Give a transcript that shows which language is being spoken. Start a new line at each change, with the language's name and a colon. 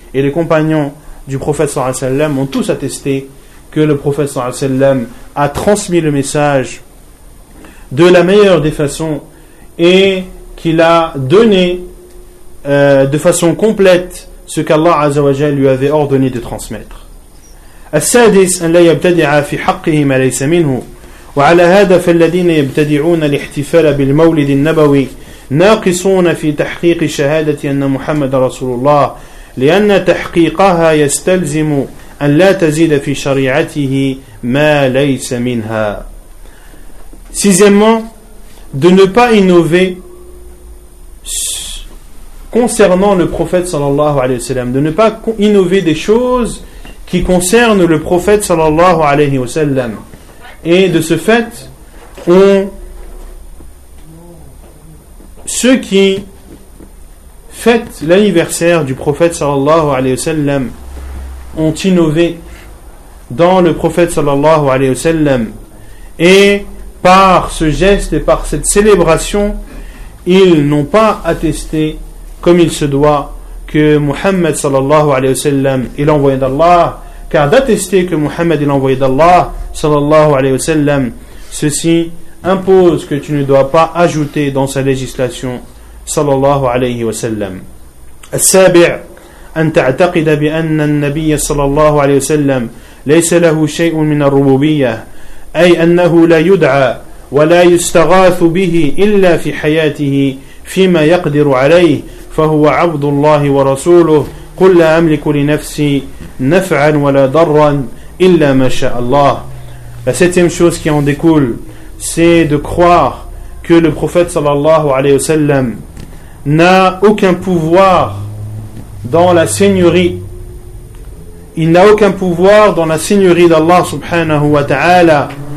French: Et les compagnons du prophète sallallahu alayhi wa sallam ont tous attesté que le prophète sallallahu alayhi wa sallam a transmis le message de la meilleure des façons, et qu'il a donné de façon complète ce qu'Allah Azza wa Jalla lui avait ordonné de transmettre.
Arabic: السادس أن لا يبتدع في حقه ما ليس منه وعلى هذا فالذين يبتدعون الاحتفال بالمولد النبوي ناقصون في تحقيق شهادة أن محمد رسول الله لأن تحقيقها يستلزم أن لا تزيد في شريعته ما ليس منها.
French: Sixièmement, de ne pas innover concernant le prophète sallallahu alayhi wa sallam, de ne pas innover des choses qui concernent le prophète sallallahu alayhi wa sallam. Et de ce fait, ceux qui fêtent l'anniversaire du prophète sallallahu alayhi wa sallam ont innové dans le prophète sallallahu alayhi wa sallam, et par ce geste et par cette célébration, ils n'ont pas attesté comme il se doit que Muhammad sallallahu alayhi wa sallam est l'envoyé d'Allah. Car d'attester que Muhammad est l'envoyé d'Allah sallallahu alayhi wa sallam, ceci impose que tu ne dois pas ajouter dans sa législation sallallahu alayhi wa sallam.
Arabic: السابع أن تعتقد بأن النبي صلى الله عليه وسلم ليس له شيء من الربوبية أي أنه لا يدعى ولا يستغاث به إلا في حياته فيما يقدر عليه فهو عبد الله ورسوله قل لا أملك لنفسي نفعا ولا ضرا إلا ما شاء الله.
French: La septième chose qui en découle, c'est de croire que le prophète sallallahu alayhi wa sallam n'a aucun pouvoir dans la seigneurie. Il n'a aucun pouvoir dans la seigneurie d'Allah subhanahu wa ta'ala.